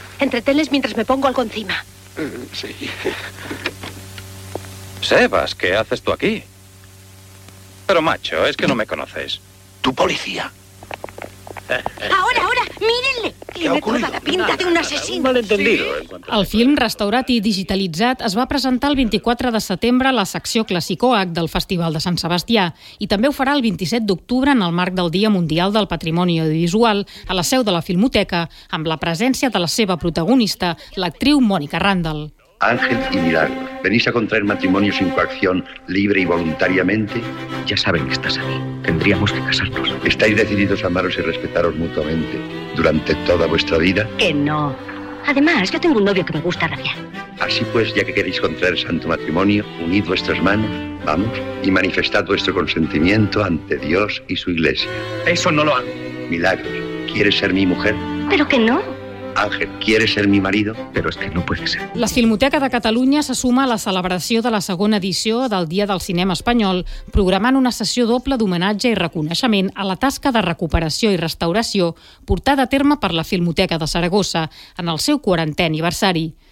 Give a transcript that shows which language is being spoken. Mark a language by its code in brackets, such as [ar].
[es] Entretenles mientras me pongo algo encima. Sí. Sebas, ¿qué haces tú aquí? Pero macho, es que no me conoces. ¿Tu policía? Ahora, ahora, mírenle. Tiene toda la pinta de un asesino. Un malentendido. Sí. [ca] El film restaurat i digitalitzat es va presentar el 24 de setembre a la secció Clàssico-H del Festival de Sant Sebastià i també ho farà el 27 d'octubre en el marc del Dia Mundial del Patrimoni Audiovisual a la seu de la Filmoteca amb la presència de la seva protagonista, l'actriu Mònica Randall. [es] Ángel y Milagro, ¿venís a contraer matrimonio sin coacción, libre y voluntariamente? Ya saben que estás aquí. Tendríamos que casarnos. ¿Estáis decididos a amaros y respetaros mutuamente durante toda vuestra vida? Que no. Además, yo tengo un novio que me gusta rabiar. Así pues, ya que queréis contraer santo matrimonio, unid vuestras manos, vamos, y manifestad vuestro consentimiento ante Dios y su iglesia. Eso no lo hago. Milagros, ¿quieres ser mi mujer? Pero que no. Ángel, ¿quieres ser mi marido? Pero es que no puede ser. [ca] La Filmoteca de Catalunya se suma a la celebració de la segona edició del Dia del Cinema Espanyol, programant una sessió doble d'homenatge i reconeixement a la tasca de recuperació i restauració portada a terme per la Filmoteca de Saragossa en el seu 40è aniversari.